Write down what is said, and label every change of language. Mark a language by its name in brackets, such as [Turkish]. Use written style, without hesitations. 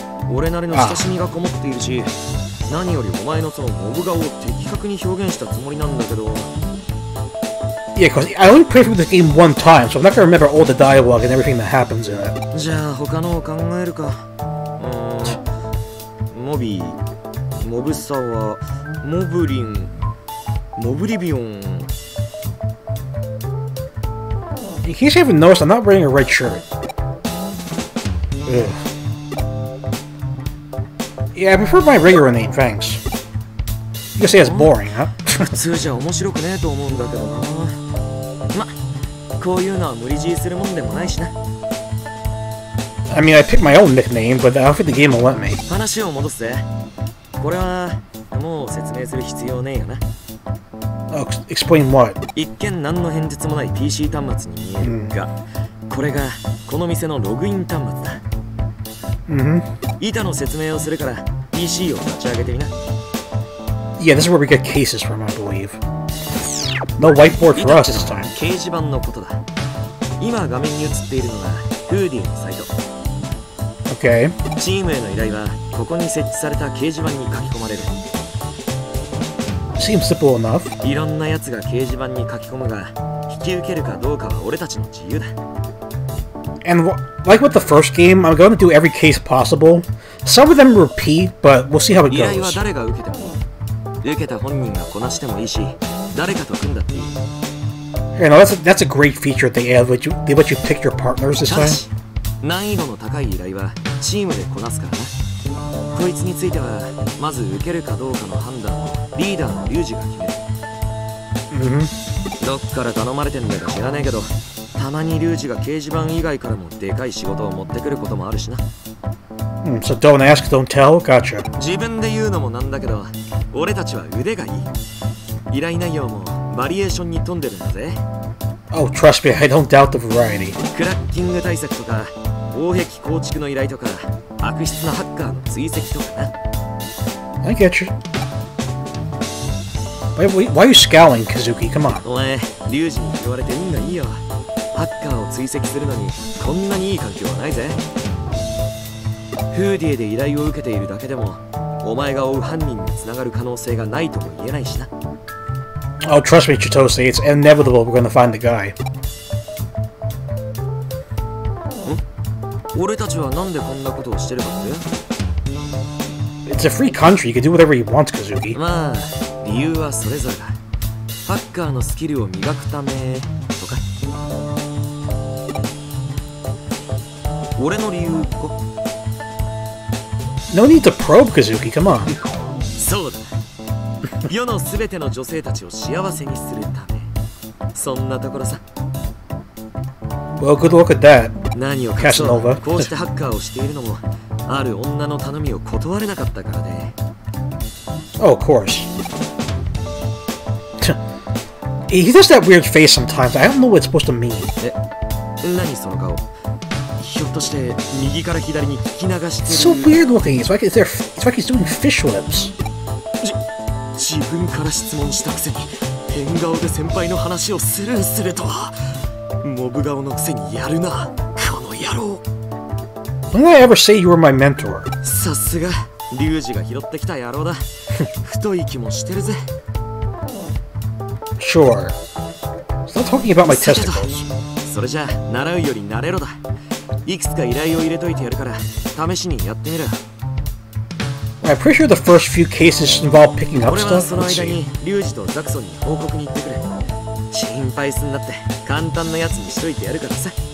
[Japanese] 俺なりの親しみがこもっているし、何よりお前のそのモブ顔を的確に表現したつもりなんだけど。 [English] Yeah, cause I only played through the game one time, so I'm not gonna remember all the dialogue and everything that happens in it. [Japanese] じゃあ他のを考えるか。モビー、モブサワ、モブリン。モブリビオン。 [English] In case you haven't noticed, I'm not wearing a red shirt. Yeah, I prefer my regular name, thanks. You can say it's boring, huh? [Japanese] 普通じゃ面白くねえと思うんだけどな。ま、こういうのは無理強いするもんでもないしな。 [English] I mean, I picked my own nickname, but I don't think the game will let me. [Japanese] 話を戻せ。これはもう説明する必要ねえよな。 [English] Explain what? [Japanese] 一見何の変哲もない PC 端末に見えるが、これがこの店のログイン端末だ。板の説明をするから PC を立ち上げてみな。 [English] Yeah, this is where we get cases from, I believe. No whiteboard for us this time. [Japanese] 掲示板のことだ。今画面に映っているのはフーディのサイト。 [English] Okay. [Japanese] チームへの依頼はここに設置された掲示板に書き込まれる。 [English] Seems simple enough. [Japanese] いろんなやつが掲示板に書き込むが、引き受けるかどうかは俺たちの自由だ。 [English] And like with the first game, I'm going to do every case possible. Some of them repeat, but we'll see how it goes. [Japanese] 依頼は誰が受けても、受けた本人がこなしてもいいし、誰かと組んだっていい。 [English] You know, that's a great feature they add, which they let you pick your partners this way. [Japanese] 難易度の高い依頼はチームでこなすからな。こいつについてはまず受けるかどうかの判断をリーダーのリュウジが決める。どっから頼まれてんだか知らねえけど、たまにリュウジが掲示板以外からもでかい仕事を持ってくることもあるしな。 [English] So don't ask, don't tell. Gotcha. [Japanese] 自分で言うのもなんだけど、俺たちは腕がいい。依頼内容もバリエーションに富んでるんだぜ。 [English] Oh, trust me, I don't doubt the variety. [Japanese] クラッキング対策とか、防壁構築の依頼とか、悪質なハッカーの追跡とかな。 [English] I get you. Why are you scowling, Kazuki? Come on. [Japanese] お前、リュウジに言われて運がいいよ。ハッカーを追跡するのに、こんなにいい環境はないぜ。フーディエで依頼を受けているだけでも、お前が追う犯人につながる可能性がないとも言えないしな。 [English] Oh, trust me, Chitose, it's inevitable we're gonna find the guy. It's a free country, you can do whatever you want, Kazuki. [Japanese] まあ、理由はそれぞれだ。ハッカーのスキルを磨くためとか。俺の理由か。 [English] No need to probe, Kazuki. Come on. [Japanese] そうだ。世のすべての女性たちを幸せにするため。そんなところさ。 [English] Well, good luck at that. [Japanese] 何を隠そう。こうしてハッカーをしているのも、ある女の頼みを断れなかったからね。 [English] Oh, of course. He does that weird face sometimes. I don't know what it's supposed to mean. [Japanese] 何その顔。ひょっとして右から左に聞き流してる。 [English] So weird looking. It's like he's doing fish lips. [Japanese] 自分から質問したくせに変顔で先輩の話をスルーするとは。モブ顔のくせにやるな、この野郎。 [English] Did I ever say you were my mentor? [Japanese] さすが、リュウジが拾ってきた野郎だ。太い気もしてるぜ。 [English] Sure. Stop talking about my testicles. [Japanese] それじゃ習うより慣れろだ。いくつか依頼を入れといてやるから試しにやってみる。 [English] I'm pretty sure the first few cases involve picking up stuff. [Japanese] 俺はその間にリュウジとザクソンに報告に行ってくれ。心配すんなって、簡単なやつにしといてやるからさ。